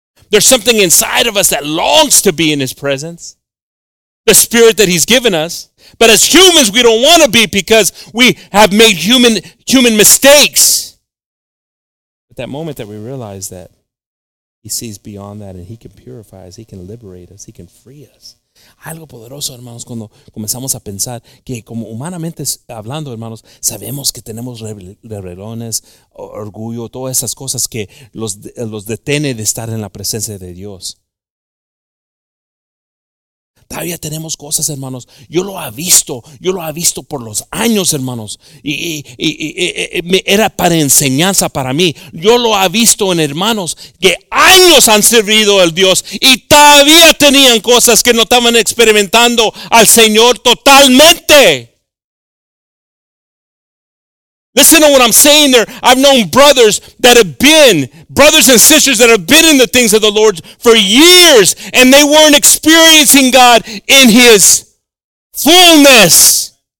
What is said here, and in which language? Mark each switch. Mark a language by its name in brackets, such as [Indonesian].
[English] There's something inside of us that longs to be in his presence, the spirit that he's given us. But as humans, we don't want to be because we have made human mistakes. But that moment that we realize that he sees beyond that and he can purify us, he can liberate us, he can free us. [Spanish] Algo poderoso, hermanos, cuando comenzamos a pensar que como humanamente hablando, hermanos, sabemos que tenemos rebelones, orgullo, todas esas cosas que los detiene de estar en la presencia de Dios. Todavía tenemos cosas, hermanos. Yo lo he visto por los años, hermanos. Y era para enseñanza para mí. Yo lo he visto en hermanos que años han servido al Dios y todavía tenían cosas que no estaban experimentando al Señor totalmente. [English] Listen to what I'm saying there. I've known brothers and sisters that have been in the things of the Lord for years, and they weren't experiencing God in his fullness.